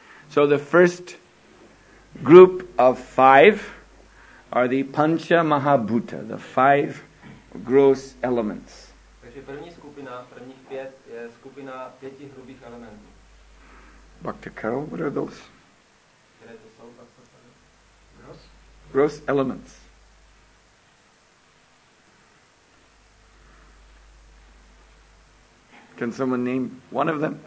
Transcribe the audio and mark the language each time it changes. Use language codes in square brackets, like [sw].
[en] So the first group of 5 are the Pancha Mahabhuta, the 5 gross elements. [cs] Takže první skupina, prvních pět, je skupina pěti hrubých elementů. [en] Bhakti Karol, what are those? [cs] Které to jsou, Bhakti Karol? [en] Gross? Gross elements. Can someone name one of them?